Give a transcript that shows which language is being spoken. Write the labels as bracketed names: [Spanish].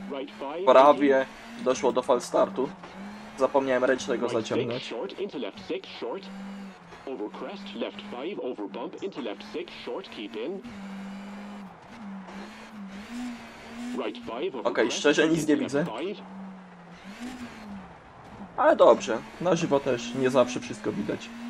[English] Right 5, [Polish] prawie doszło do fal startu. Zapomniałem ręcznego right zaciągnąć. [English] 6, short, into left 6, short. Over crest, left 5, over bump, into left 6, short, keep in. [Polish] Okej, szczerze nic nie widzę. Ale dobrze, na żywo też nie zawsze wszystko widać.